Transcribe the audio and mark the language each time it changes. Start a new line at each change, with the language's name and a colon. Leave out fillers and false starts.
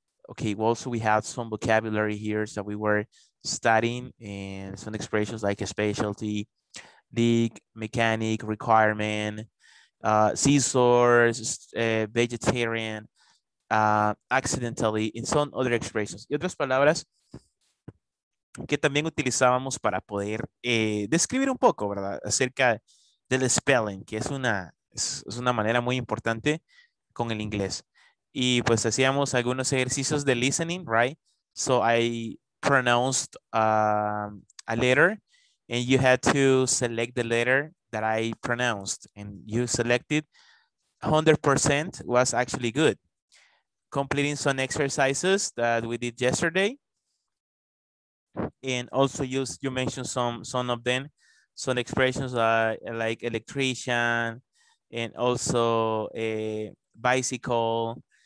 English: Okay, well, so we have some vocabulary here that we were studying and some expressions like a specialty, league, mechanic, requirement, scissors, vegetarian, accidentally, and some other expressions.
Spanish: Y otras palabras que también utilizábamos para poder describir un poco, ¿verdad? Acerca del spelling, que es una manera muy importante con el inglés. Y pues hacíamos algunos ejercicios de listening, right?
English: So I pronounced a letter and you had to select the letter that I pronounced and you selected 100% was actually good. Completing some exercises that we did yesterday. And also you mentioned some of them, some expressions like electrician and also a bicycle.